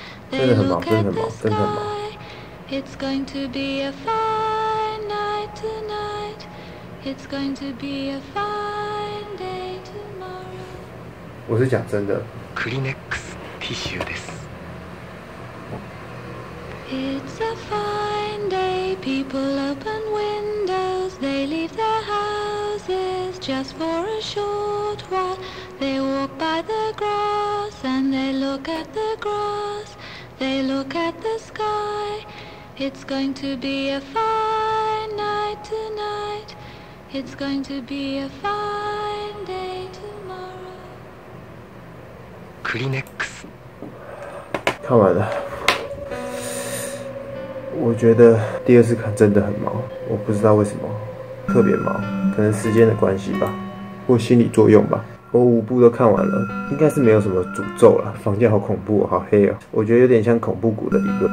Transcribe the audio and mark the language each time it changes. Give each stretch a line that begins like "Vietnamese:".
Chinese: 真的很毛，真的很毛，真的很毛。
English: It's going to be a fine night tonight. It's going to be a fine day tomorrow.
Chinese: 我是讲真的。Kleenex tissue
Japanese: です。
English: It's a fine day. People open windows. They leave their houses just for a short while. They walk by the grass and they look at the grass. They look at the sky. It's going to be a fine night tonight. It's going to be a fine day tomorrow. Kleenex。
Chinese: 看完了，我觉得第二次看真的很忙，我不知道为什么特别忙，可能时间的关系吧，或心理作用吧。我五部都看完了，应该是没有什么诅咒了。房间好恐怖哦，好黑哦，我觉得有点像恐怖谷的理论。